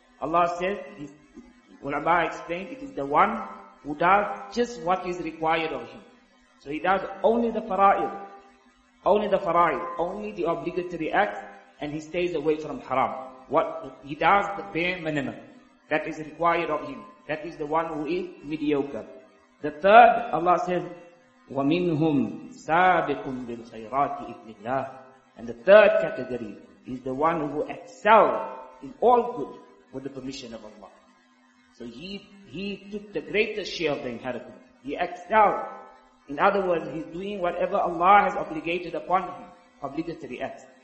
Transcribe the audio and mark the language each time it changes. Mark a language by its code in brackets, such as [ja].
[en] Allah says, ulama explained, it is the one who does just what is required of him. So he does only the fara'id, only the obligatory acts, and he stays away from haram. What he does, the bare minimum that is required of him. That is the one who is mediocre. The third, Allah says, [ar] وَمِنْهُمْ سَابِقٌ بِالْخَيْرَاتِ إِذْنِ اللَّهِ. [en] And the third category is the one who excels in all good with the permission of Allah. So he took the greatest share of the inheritance. He excelled. In other words, he's doing whatever Allah has obligated upon him, obligatory acts.